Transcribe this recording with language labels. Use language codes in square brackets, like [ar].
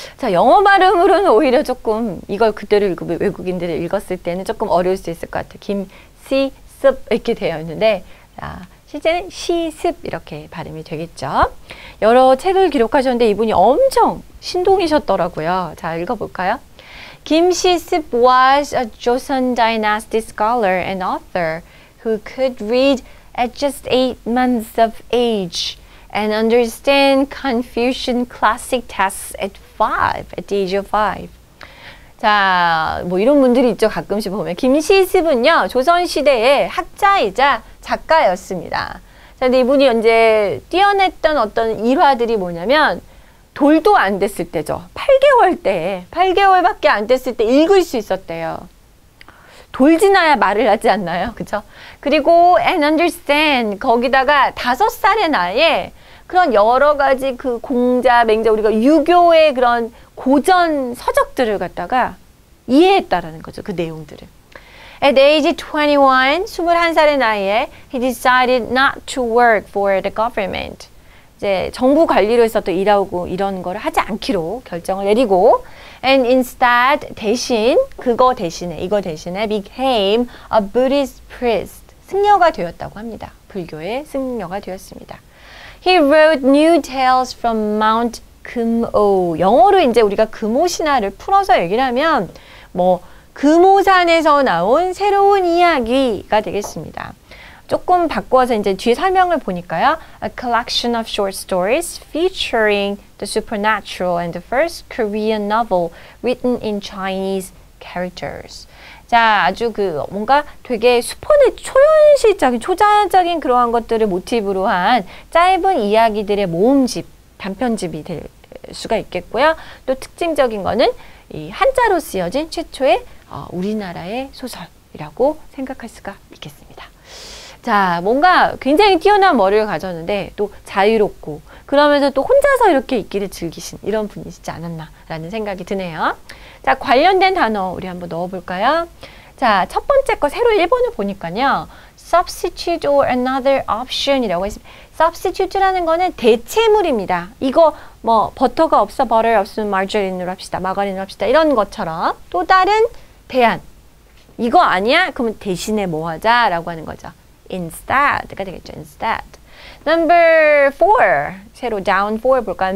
[ko] 자, 영어 발음으로는 오히려 조금 이걸 그대로 읽으면 외국인들이 읽었을 때는 조금 어려울 수 있을 것 같아요. 김시습 이렇게 되어 있는데 자, 실제는 시습 이렇게 발음이 되겠죠. 여러 책을 기록하셨는데 이분이 엄청 신동이셨더라고요. 자, 읽어볼까요? [en] Kim Si-seup was a Joseon dynasty scholar and author who could read at just 8 months of age and understand Confucian classic texts at the age of five. [ko] 자, 뭐 이런 분들이 있죠. 가끔씩 보면 Kim Si-seup은요 조선 시대의 학자이자 작가였습니다. 자, 근데 이분이 이제 뛰어냈던 어떤 일화들이 뭐냐면. 돌도 안 됐을 때죠. 8개월 때, 8개월밖에 안 됐을 때 읽을 수 있었대요. 돌 지나야 말을 하지 않나요? 그쵸? 그리고 and understand, 거기다가 5살의 나이에 그런 여러 가지 그 공자, 맹자, 우리가 유교의 그런 고전 서적들을 갖다가 이해했다라는 거죠. 그 내용들을. [en] At age 21, 21살의 나이에 he decided not to work for the government. [ko] 이제 정부 관리로 해서 또 일하고 이런 걸 하지 않기로 결정을 내리고 and instead 대신 그거 대신에 이거 대신에 became a Buddhist priest 승려가 되었다고 합니다. 불교의 승려가 되었습니다. [en] He wrote new tales from Mount 금오. [ko] 영어로 이제 우리가 금오 신화를 풀어서 얘기를 하면 뭐 금오산에서 나온 새로운 이야기가 되겠습니다. 조금 바꿔서 이제 뒤에 설명을 보니까요. [en] A collection of short stories featuring the supernatural and the first Korean novel written in Chinese characters. [ko] 자, 아주 그 뭔가 되게 슈퍼의 초현실적인 초자연적인 그러한 것들을 모티브로 한 짧은 이야기들의 모음집, 단편집이 될 수가 있겠고요. 또 특징적인 거는 이 한자로 쓰여진 최초의 우리나라의 소설이라고 생각할 수가 있겠습니다. 자, 뭔가 굉장히 뛰어난 머리를 가졌는데 또 자유롭고 그러면서 또 혼자서 이렇게 읽기를 즐기신 이런 분이시지 않았나라는 생각이 드네요. 자, 관련된 단어 우리 한번 넣어볼까요? 자, 첫 번째 거 새로 1번을 보니까요. [en] Substitute or another option이라고 했습니다. [ko] Substitute라는 거는 대체물입니다. 이거 뭐 버터가 없어, 버터 없으면 마가린으로 합시다, 마가린으로 합시다 이런 것처럼 또 다른 대안. 이거 아니야? 그러면 대신에 뭐 하자? 라고 하는 거죠. Instead가 되겠죠. [en] Instead. Number 4. 새로 down 4 볼까요?